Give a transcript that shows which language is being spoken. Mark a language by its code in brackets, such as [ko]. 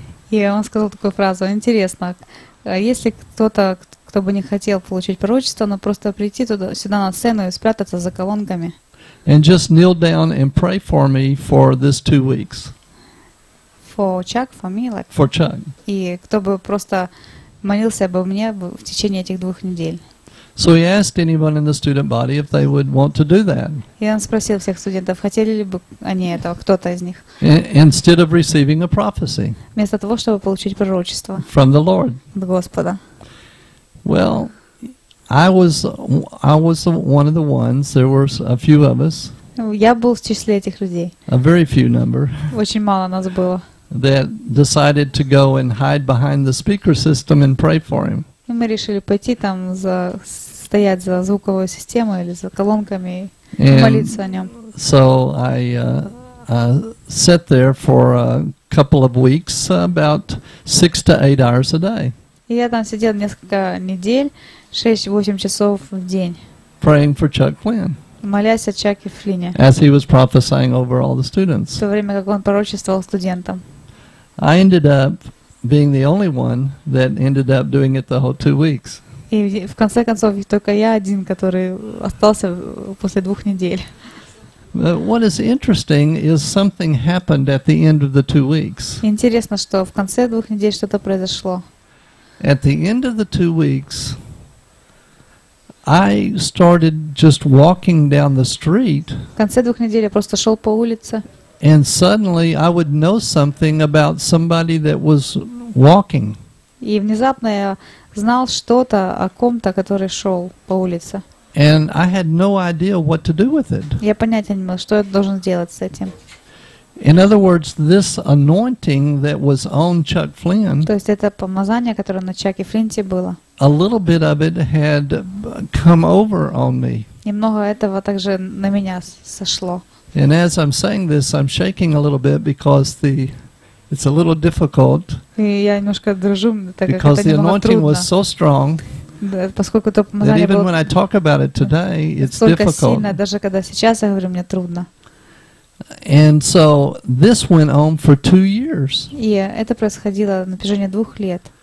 [ru] Yeah, он сказал такую фразу. Интересно, если кто-то, кто бы не хотел получить пророчество, но просто прийти туда, сюда на сцену и спрятаться за колонками. [en] And just kneel down and pray for me for this 2 weeks. For Chuck, for me, like. For Chuck. [ru] И кто бы просто молился обо мне в течение этих двух недель. [en] So he asked anyone in the student body if they would want to do that. [ru] И он спросил всех студентов, хотели ли бы они этого, кто-то из них. [en] Instead of receiving a prophecy. [ru] Вместо того, чтобы получить пророчество. [en] From the Lord. [ru] От Господа. [en] Well, I was one of the ones. There were a few of us. [ru] Я был в числе этих людей. [en] A very few number. [ru] Очень мало нас было. [en] That decided to go and hide behind the speaker system and pray for him. [ru] И мы решили пойти там за стоять за звуковую систему или за колонками и молиться о нем. [en] So I sat there for a couple of weeks, about 6 to 8 hours a day. [ru] И я там сидел несколько недель, 6-8 часов в день. [en] Praying for Chuck Flynn. [ru] Молясь о Чаке Флине. [en] As he was prophesying over all the students. [ru] В то время как он пророчествовал студентам. [en] I ended up being the only one that ended up doing it the whole 2 weeks. [ru] И в конце концов только я один, который остался после двух недель. [en] What is interesting is something happened at the end of the 2 weeks. [ru] Интересно, что в конце двух недель что-то произошло. [en] At the end of the 2 weeks, I started just walking down the street. [ru] В конце двух недель я просто шел по улице. [en] And suddenly I would know something about somebody that was walking. [ru] И внезапно я знал что-то о ком-то, который шел по улице. [en] And I had no idea what to do with it. [ru] Я понятия не имел, что я должен сделать с этим. [en] In other words, this anointing that was on Chuck Flynn. [ru] То есть это помазание, которое на Чаке Флинте было. [en] A little bit of it had come over on me. [ru] Немного этого также на меня сошло. [en] And as I'm saying this, I'm shaking a little bit because the it's a little difficult. [ru] И я немножко дрожу, так как это немного трудно. [en] Because the anointing was so strong. [ru] Поскольку то помазание [en] even when I talk about it today, it's difficult. [ru] Сильно, даже когда сейчас я говорю, мне трудно. [en] And so this went on for 2 years. [ru] Yeah, это происходило на протяжении 2 лет.